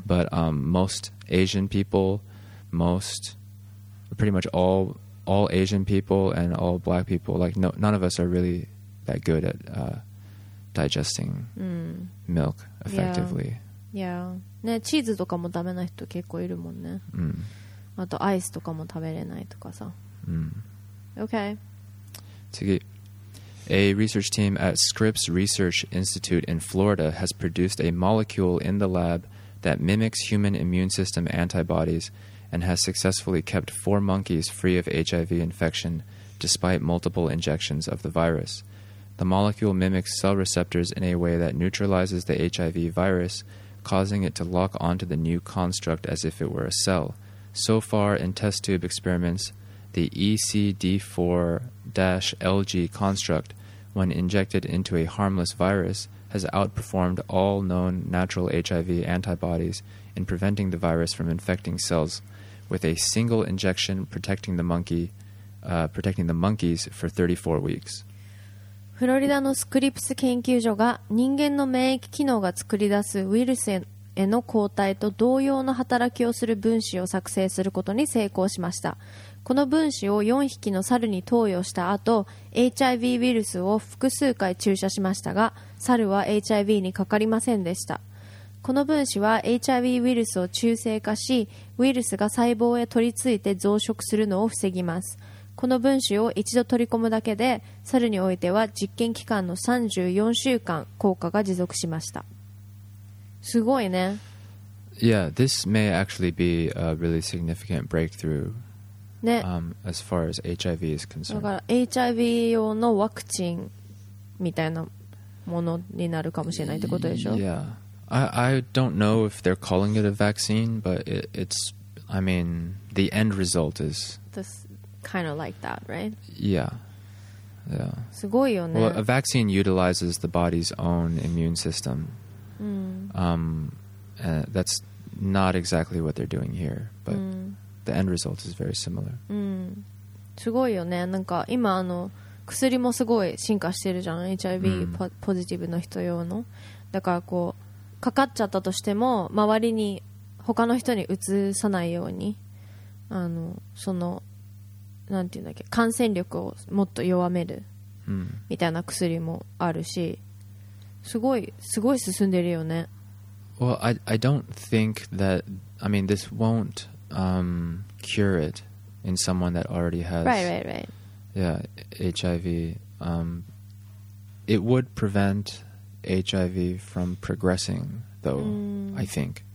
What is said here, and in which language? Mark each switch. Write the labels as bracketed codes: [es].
[en] But most Asian people, pretty much all Asian people and all black people, like none of us are really that good at digesting milk effectively. [ja] Yeah. Yeah. ね、チーズとかもダメな人結構いるもんね。あとアイスとかも食べれないとかさ。 [en] Okay. [ja] 次。 [en] A research team at Scripps Research Institute in Florida has produced a molecule in the lab that mimics human immune system antibodies and has successfully kept four monkeys free of HIV infection despite multiple injections of the virus. The molecule mimics cell receptors in a way that neutralizes the HIV virus, causing it to lock onto the new construct as if it were a cell. So far, in test tube experiments, the ECD4-LG construct, when injected into a harmless virus, has outperformed all known natural HIV antibodies in preventing the virus from infecting cells, with a single injection protecting the monkey, protecting the monkeys for 34 weeks. [ja] フロリダのスクリプス研究所が人間の免疫機能が作り出すウイルスへの抗体と同様の働きをする分子を作成することに成功しました。この分子を4匹の猿に投与した後、HIV ウイルスを複数回注射しましたが、猿は HIV にかかりませんでした。この分子は HIV ウイルスを中性化し、ウイルスが細胞へ取り付いて増殖するのを防ぎます。この分子を一度取り込むだけで、猿においては実験期間の34週間効果が持続しました。すごいね。 [en] Yeah, this may actually be a really significant breakthrough. [ja] ね。 [en] As far as HIV is concerned. [ja] だから HIV 用のワクチンみたいなものになるかもしれないってことでしょ。 [en] Yeah. I don't know if they're calling it a vaccine, but it's, I mean, the end result is... This... Kind of like that, right? Yeah. Yeah. [ja] すごいよね。 [en] Well, a vaccine utilizes the body's own immune system. And that's not exactly what they're doing here, but the end result is very similar. [ja] すごいよね。なんか今あの薬もすごい進化してるじゃん。 HIV ポジティブの人用の。だからこうかかっちゃったとしても周りに他の人にうつさないようにあのそのなんていうんだっけ感染力をもっと弱めるみたいな薬もあるし、すごいすごい進んでるよね。 [en] Well, I don't think that I mean this won't cure it in someone that already has right. HIV. It would prevent HIV from progressing, though I think.